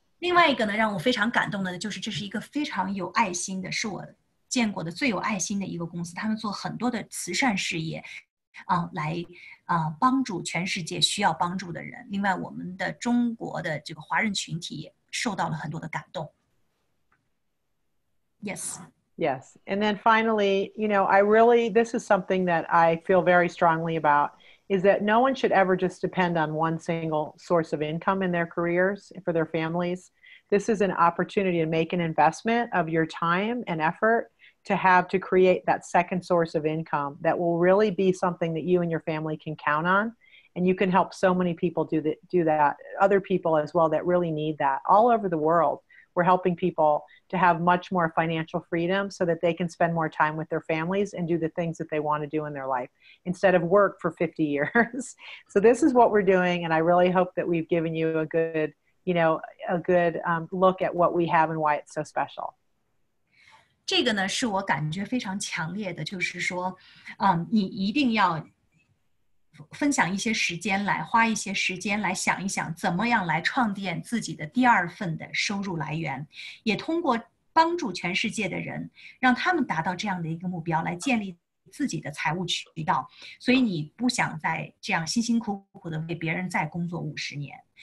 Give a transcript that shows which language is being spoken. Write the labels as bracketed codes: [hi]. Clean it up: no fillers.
[zh] 另外一个呢，让我非常感动的，就是这是一个非常有爱心的，是我见过的最有爱心的一个公司，他们做很多的慈善事业。来帮助全世界需要帮助的人。另外，我们的中国的这个华人群体也受到了很多的感动。 [en] Yes. Yes. And then finally, you know, I really, this is something that I feel very strongly about, is that no one should ever just depend on one single source of income in their careers for their families. This is an opportunity to make an investment of your time and effort to have to create that second source of income that will really be something that you and your family can count on. And you can help so many people do that, other people as well that really need that all over the world. We're helping people to have much more financial freedom so that they can spend more time with their families and do the things that they want to do in their life instead of work for 50 years. So this is what we're doing. And I really hope that we've given you a good, you know, a good look at what we have and why it's so special. [zh] 这个呢是我感觉非常强烈的就是说你一定要分享一些时间来花一些时间来想一想怎么样来创建自己的第二份的收入来源也通过帮助全世界的人让他们达到这样的一个目标来建立自己的财务渠道所以你不想再这样辛辛苦苦的为别人再工作五十年